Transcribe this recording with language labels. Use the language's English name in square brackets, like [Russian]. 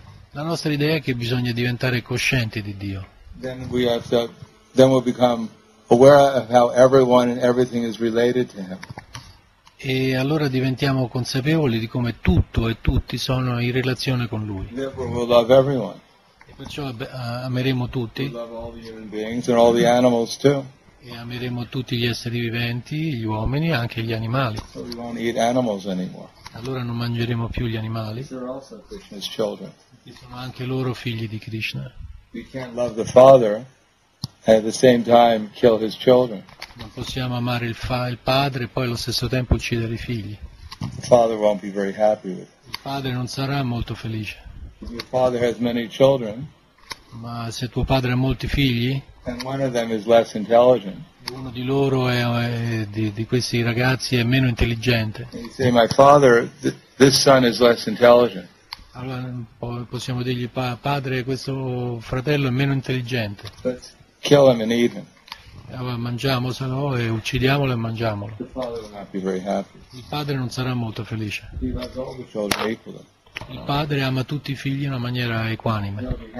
[Italian] La nostra idea è che bisogna diventare coscienti di Dio. [English] Then we have to, then we'll become aware of how everyone and everything is related to Him. [Italian] E allora diventiamo consapevoli di come tutto e tutti sono in relazione con Lui. [English] Therefore we'll love everyone. [Italian] E perciò ameremo tutti. [English] We'll love all the human beings and all the animals too. [Italian] E ameremo tutti gli esseri viventi, gli uomini, anche gli animali. [English] So we won't eat animals anymore. [Italian] Allora non mangeremo più gli animali. Perché sono anche loro figli di Krishna. [English] We can't love the father and at the same time kill his children. [Italian] Non possiamo amare il padre e poi allo stesso tempo uccidere i figli. [English] The father won't be very happy with. [Italian] Il padre non sarà molto felice. [English] If your father has many children, [Italian] ma se tuo padre ha molti figli, [English] and one of them is less intelligent. [Italian] Uno di loro di questi ragazzi è meno intelligente. [English] Say, my father, this son is less intelligent. [Italian] Allora possiamo dirgli padre, questo fratello è meno intelligente. [English] Let's kill him and eat him. [Italian] mangiamo, se no, e uccidiamolo e mangiamolo. Il padre non sarà molto felice. Il padre ama tutti i figli in una maniera equanime.